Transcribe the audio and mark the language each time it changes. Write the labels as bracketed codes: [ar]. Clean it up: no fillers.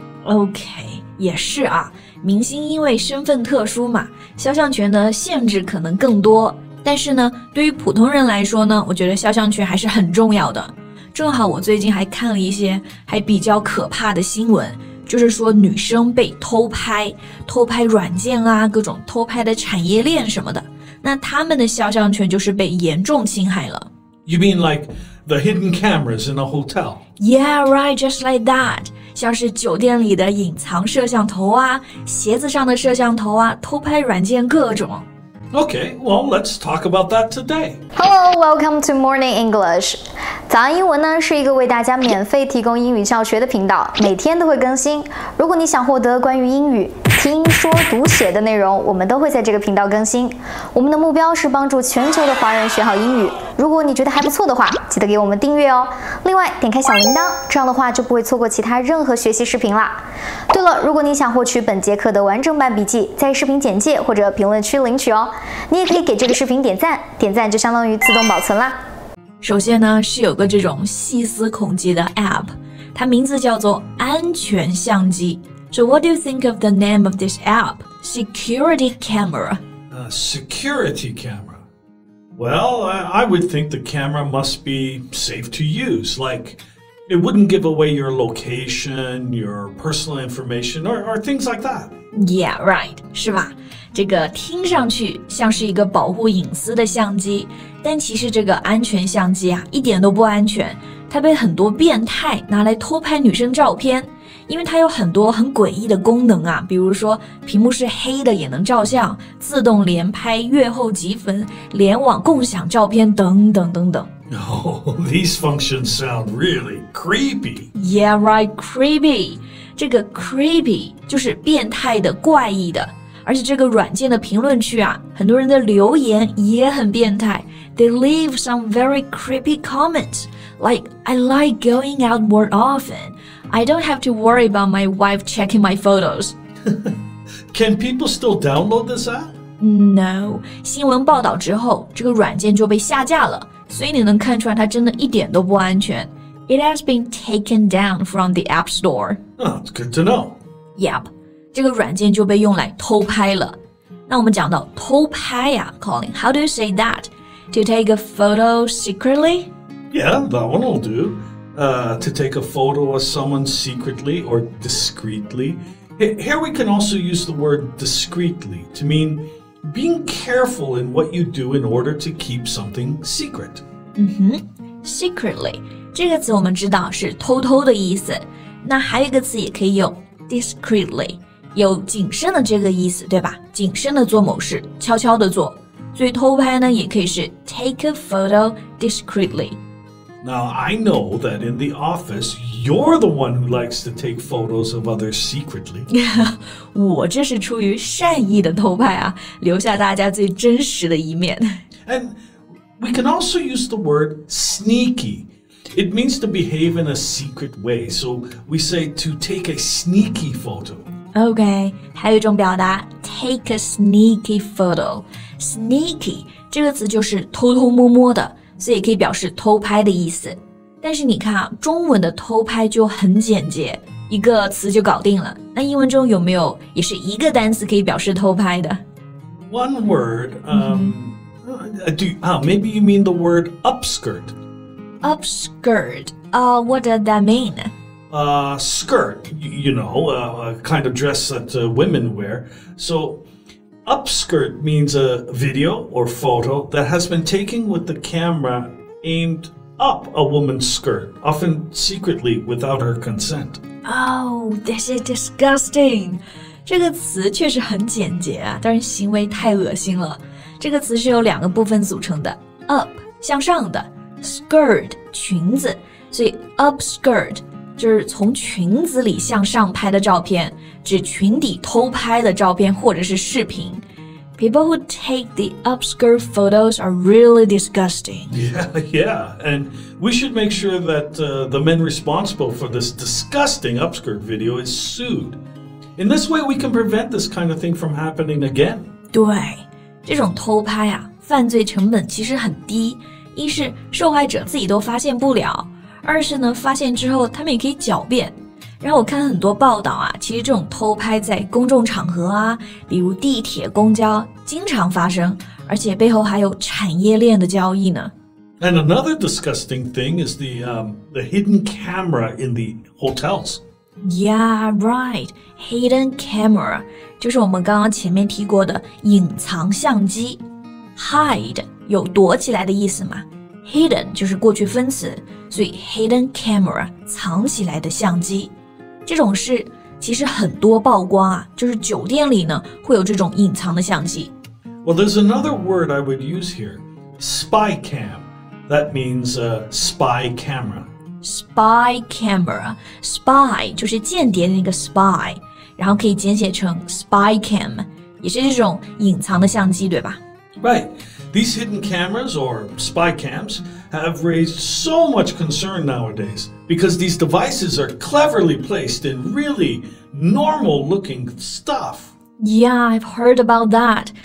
[zh] Okay, 也是啊，明星因为身份特殊嘛，肖像权的限制可能更多。但是呢，对于普通人来说呢，我觉得肖像权还是很重要的。正好我最近还看了一些还比较可怕的新闻。就是说女生被偷拍偷拍软件啊各种偷拍的产业链什么的那他们的肖像权就是被严重侵害了 [en] You mean like the hidden cameras in a hotel? Yeah, right, just like that [zh] 像是酒店里的隐藏摄像头啊鞋子上的摄像头啊偷拍软件各种 [en] Okay, well, let's talk about that today Hello, welcome to Morning English [zh] 早安英文呢是一个为大家免费提供英语教学的频道每天都会更新如果你想获得关于英语听说读写的内容我们都会在这个频道更新我们的目标是帮助全球的华人学好英语如果你觉得还不错的话记得给我们订阅哦另外点开小铃铛这样的话就不会错过其他任何学习视频啦对了如果你想获取本节课的完整版笔记在视频简介或者评论区领取哦你也可以给这个视频点赞点赞就相当于自动保存啦首先呢是有个这种细思恐极的 app 它名字叫做安全相机 [en] So what do you think of the name of this app? Security camera Security camera Well, I would think the camera must be safe to use Like, it wouldn't give away your location, your personal information, or things like that Yeah, right, [zh] 是吧？这个听上去像是一个保护隐私的相机，但其实这个安全相机啊，一点都不安全。它被很多变态拿来偷拍女生照片，因为它有很多很诡异的功能啊，比如说屏幕是黑的也能照相，自动连拍、月后积分、联网共享照片等等等等。 [en] Oh, these functions sound really creepy. Yeah, right, creepy. [zh] 这个 creepy 就是变态的、怪异的。而且这个软件的评论区啊，很多人的留言也很变态。 [en] They leave some very creepy comments, like, I like going out more often. I don't have to worry about my wife checking my photos. Can people still download this app? No. [zh] 新闻报道之后，这个软件就被下架了。所以你能看出来它真的一点都不安全。 [en] It has been taken down from the App Store. Oh, it's good to know. Yep. [zh] 这个软件就被用来偷拍了。那我们讲到偷拍呀、啊、Colin, [en] how do you say that? To take a photo secretly? Yeah, that one will do. To take a photo of someone secretly or discreetly. Here we can also use the word discreetly to mean... Being careful in what you do in order to keep something secret. Mm-hmm. [zh] Secretly, 这个词我们知道是偷偷的意思。那还有一个词也可以用 discreetly, 有谨慎的这个意思，对吧？谨慎的做某事，悄悄的做。所以偷拍呢，也可以是 [en] take a photo discreetly. Now, I know that in the office, you're the one who likes to take photos of others secretly. [zh] 我这是出于善意的偷拍啊，留下大家最真实的一面。 [en] And we can also use the word sneaky. It means to behave in a secret way. So we say to take a sneaky photo. [zh] Okay, 还有一种表达 [en] take a sneaky photo. [zh] Sneaky, 这个词就是偷偷摸摸的。所以可以表示偷拍的意思。但是你看啊，中文的偷拍就很简洁，一个词就搞定了。那英文中有没有也是一个单词可以表示偷拍的？ [en] One word, maybe you mean the word upskirt. Upskirt, what does that mean? Skirt, you know, a kind of dress that women wear. So... Upskirt means a video or photo that has been taken with the camera aimed up a woman's skirt, often secretly without her consent. Oh, this is disgusting. [zh] 这个词确实很简洁啊，但是行为太恶心了。这个词是由两个部分组成的 up, 向上的 skirt, 裙子。所以 upskirt 就是从裙子里向上拍的照片。指裙底偷拍的照片或者是视频。 [en] People who take the upskirt photos are really disgusting. Yeah, yeah. And we should make sure that the men responsible for this disgusting upskirt video is sued. In this way, we can prevent this kind of thing from happening again. [zh] 对，这种偷拍啊，犯罪成本其实很低。一是受害者自己都发现不了，二是呢，发现之后他们也可以狡辩。然后我看很多报道啊，其实这种偷拍在公众场合啊，比如地铁、公交，经常发生，而且背后还有产业链的交易呢。 [en] And another disgusting thing is the hidden camera in the hotels. Yeah, right. [zh] Hidden camera 就是我们刚刚前面提过的隐藏相机。 Hide 有躲起来的意思吗？Hidden 就是过去分词，所以 hidden camera 藏起来的相机。这种事其实很多曝光啊，就是酒店里呢会有这种隐藏的相机。 [en] Well, there's another word I would use here, spy cam. That means a spy camera. [zh] Spy camera, spy 就是间谍的那个 spy, 然后可以简写成 spy cam, 也是这种隐藏的相机，对吧？ [en] Right, these hidden cameras or spy cams have raised so much concern nowadays because these devices are cleverly placed in really normal looking stuff. Yeah, I've heard about that.